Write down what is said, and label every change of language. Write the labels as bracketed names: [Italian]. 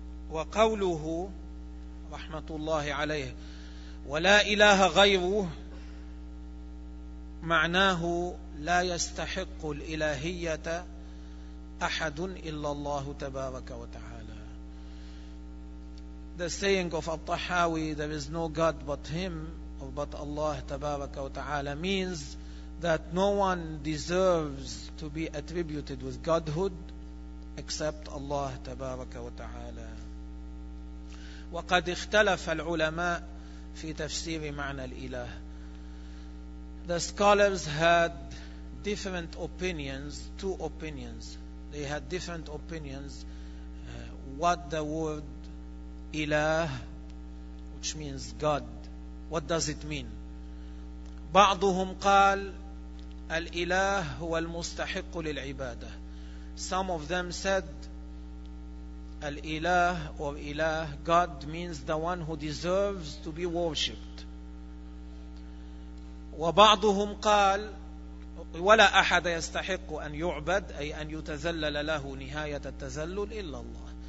[Arabic] وقوله رحمة الله عليه ولا إله غيره معناه لا يستحق الإلهية أحد إلا الله تبارك وتعالى. [English] The saying of الطحاوي, there is no God but him or but Allah [Arabic] تبارك وتعالى, [English] means that no one deserves to be attributed with Godhood except Allah [Arabic] تبارك وتعالى. وقد اختلف العلماء في تفسير معنى الإله. [English] The scholars had different opinions, two opinions. They had different opinions what the word إله, which means God, what does it mean. [Arabic] بعضهم قال الإله هو المستحق للعبادة. [English] Some of them said الإله or إله, God means the one who deserves to be worshipped. [Arabic] وبعضهم قال ولا أحد يستحق أن يعبد, أي أن يتذلل له نهاية التذلل إلا الله.